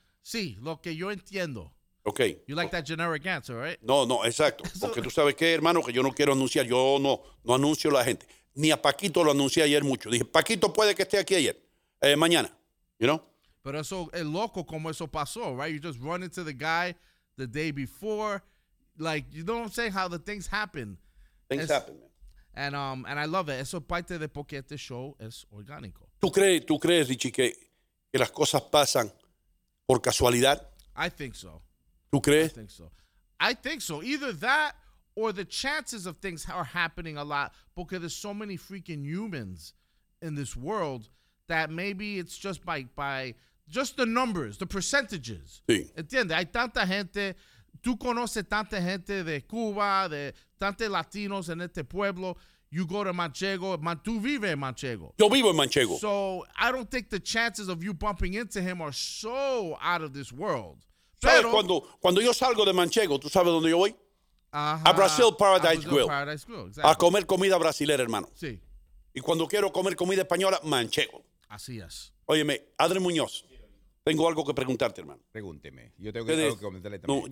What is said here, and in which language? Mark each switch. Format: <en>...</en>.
<es>Sí, lo que yo entiendo. Ok.</es> <en>You like that generic answer, right?</en> <es>No, no, exacto. Porque tú sabes qué, hermano, que yo no quiero anunciar. Yo no anuncio a la gente. Ni a Paquito lo anuncié ayer mucho. Dije, Paquito puede que esté aquí ayer, mañana,</es> <en>you know?</en> <es>Pero eso es loco como eso pasó, right?</es> <en>You just run into the guy the day before. Like, you know what I'm saying? How the things happen. Things happen, man. And I love it.</en> <es>Eso parte de porque este show es orgánico. ¿Tú crees, Richie, que las cosas pasan por casualidad?</es> <en>I think so.</en> <es>¿Tú crees?</es> <en>I think so. Either that or the chances of things are happening a lot because there's so many freaking humans in this world that maybe it's just by just the numbers, the percentages.</en> <es>Sí. ¿Entiendes? Hay tanta gente. Tú conoces tanta gente de Cuba, de tantos latinos en este pueblo.</es> <en>You go to Manchego.</en> <es>Tú vives en Manchego. Yo vivo en Manchego.</es> <en>So I don't think the chances of you bumping into him are so out of this world.</en> <es>¿Sabes? Pero, cuando yo salgo de Manchego, ¿tú sabes dónde yo voy? Uh-huh. A Brazil Paradise Grill. Paradise Grill, exactly. A comer comida brasileña, hermano. Sí. Y cuando quiero comer comida española, Manchego. Así es. Óyeme, Adrián Muñoz, tengo algo que preguntarte, hermano. Pregúnteme. Yo tengo que algo que comentarle también.</es>